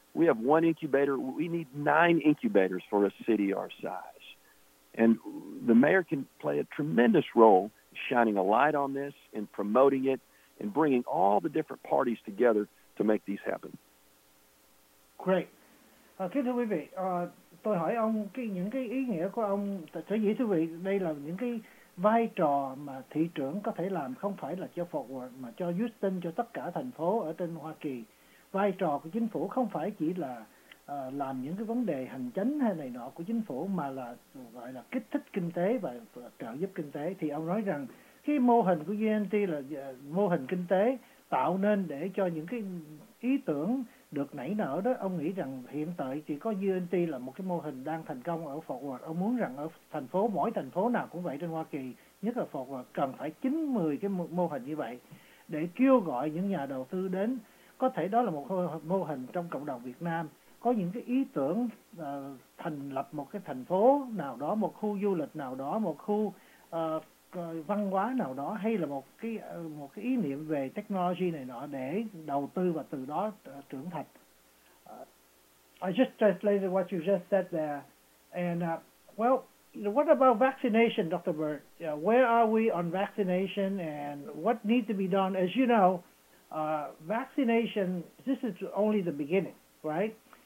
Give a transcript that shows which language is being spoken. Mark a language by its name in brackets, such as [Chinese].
[English] We have one incubator. We need 9 incubators for a city our size. And the mayor can play a tremendous role shining a light on this and promoting it and bringing all the different parties together to make these happen. Great. [Vietnamese] Kính thưa quý vị, tôi hỏi ông những cái ý nghĩa của ông. Thưa quý vị, đây là những cái vai trò mà thị trưởng có thể làm, không phải là cho Fort Worth mà cho Houston, cho tất cả thành phố ở trên Hoa Kỳ. Vai trò của chính phủ không phải chỉ là làm những cái vấn đề hành chính hay này nọ của chính phủ mà là gọi là kích thích kinh tế và trợ giúp kinh tế, thì ông nói rằng cái mô hình của UNT là mô hình kinh tế tạo nên để cho những cái ý tưởng được nảy nở đó. Ông nghĩ rằng hiện tại chỉ có UNT là một cái mô hình đang thành công ở Fort Worth. Ông muốn rằng ở thành phố, mỗi thành phố nào cũng vậy trên Hoa Kỳ, nhất là Fort Worth, cần phải 9-10 cái mô hình như vậy để kêu gọi những nhà đầu tư đến. Có thể đó là một mô hình trong cộng đồng Việt Nam, có những cái ý tưởng thành lập một cái thành phố nào đó, một khu du lịch nào đó, một khu văn hóa nào đó, hay là một cái ý niệm về technology này nọ để đầu tư và từ đó trưởng thành. [English] I just translated what you just said there, and well, what about vaccination, Dr. Bird? Where are we on vaccination, and what needs to be done? As you know, vaccination, this is only the beginning, right?